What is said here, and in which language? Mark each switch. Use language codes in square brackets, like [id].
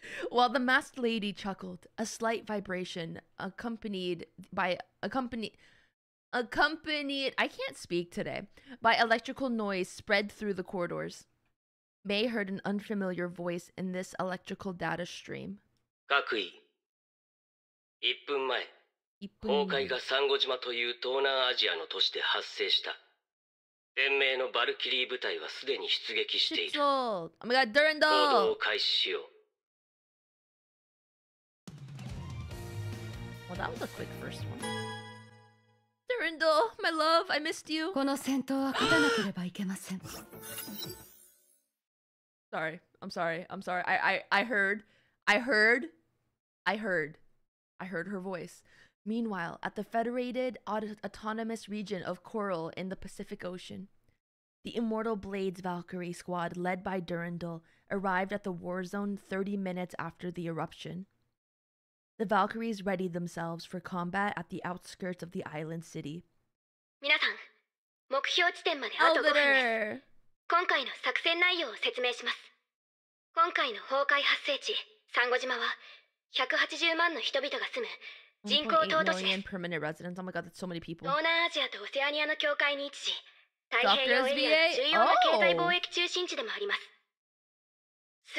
[en] While the masked lady chuckled, a slight vibration accompanied by electrical noise spread through the corridors. May heard an unfamiliar voice in this electrical data stream. [ja] 各位、一分前、崩壊がサンゴ島という東南アジアの都市で発生した。天命のバルキリー部隊はすでに出撃している。 [en] Oh my God, Durandal! [ja] 行動を開始しよう。 [en] Well, that was a quick first one. Durandal, my love, I missed you. [ja] この戦闘は勝たなければいけません。 [en] Sorry, I'm sorry, I'm sorry. I heard her voice. Meanwhile, at the Federated Autonomous Region of Coral in the Pacific Ocean, the Immortal Blades Valkyrie squad led by Durandal arrived at the war zone 30 minutes after the eruption. The Valkyries readied themselves for combat at the outskirts of the island city. [ja] 皆さん、目標地点まであと5分です。今回の作戦内容を説明します。今回の崩壊発生地、サンゴ島は180万の人々が住む人口島都市です。 [en] permanent residents. Oh my God, that's so many people. [ja] 東南アジアとオセアニアの境界に位置し、太平洋エリア重要な経済貿易中心地でもあります。